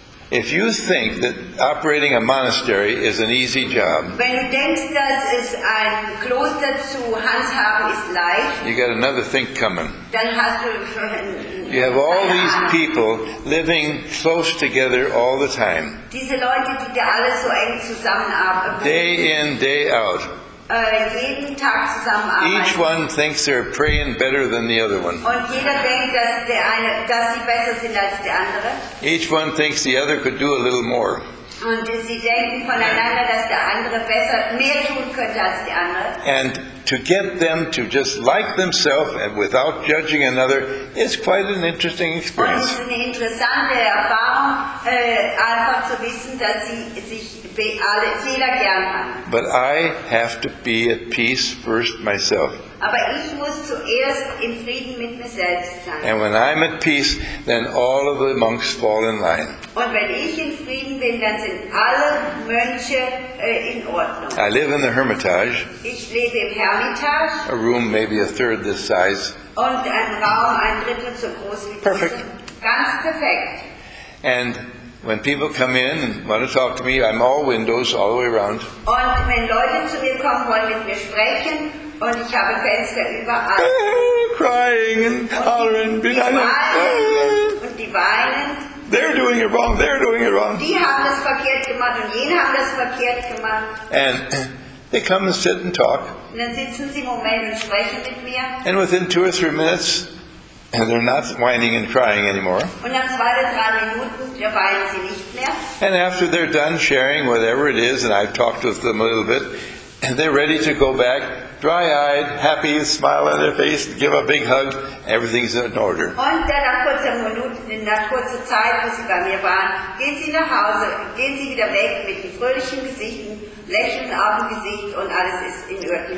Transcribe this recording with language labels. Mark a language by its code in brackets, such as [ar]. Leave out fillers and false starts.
[en] if you think that operating a monastery is an easy job, [de] wenn du denkst, dass es ein Kloster zu handhaben ist leicht, [en] you got another thing coming. [de] Dann hast du [en] you have all these people living close together all the time. [de] Diese Leute, die da alle so eng zusammenarbeiten. [en] Day in, day out. [de] Jeden Tag zusammenarbeiten. [en] Each one thinks they're praying better than the other one. [de] Und jeder denkt, dass sie besser sind als der andere. [en] Each one thinks the other could do a little more. [de] Und sie denken voneinander, dass der andere besser, mehr tun könnte als der andere. [en] And to get them to just like themselves and without judging another is quite an interesting experience. [de] Und es ist eine interessante Erfahrung, einfach zu wissen, dass sie sich alle Fehler gern haben. [en] But I have to be at peace first myself. [de] Aber ich muss zuerst im Frieden mit mir selbst sein. [en] And when I'm at peace, then all of the monks fall in line. [de] Und wenn ich im Frieden bin, dann sind alle Mönche in Ordnung. [en] I live in the Hermitage. [de] Ich lebe im Hermitage. [en] A room maybe a third this size. [de] Und ein Raum ein Drittel so groß wie [en] perfect. [de] Diesen. Ganz perfekt. [en] And when people come in and want to talk to me, I'm all windows all the way around. [de] Und wenn Leute zu mir kommen, wollen mit mir sprechen. Und ich habe Fenster überall. [en] Crying and hollering behind [de] them. Und die weinen. [en] They're doing it wrong. They're doing it wrong. [de] Die haben das verkehrt gemacht und jene haben das verkehrt gemacht. [en] And they come and sit and talk. [de] Und dann sitzen sie im Moment und sprechen mit mir. [en] And within 2 or 3 minutes, and they're not whining and crying anymore. [de] Und nach 2 oder 3 Minuten weinen sie nicht mehr. [en] And after they're done sharing whatever it is, and I've talked with them a little bit, and they're ready to go back. Dry-eyed, happy, smile on their face, give a big hug, everything's in order. [de] Und dann nach kurzer Minute, in der kurzen Zeit, wo sie bei mir waren, gehen sie nach Hause, gehen sie wieder weg mit dem fröhlichen Gesicht, lächeln auf dem Gesicht und alles ist in Ordnung.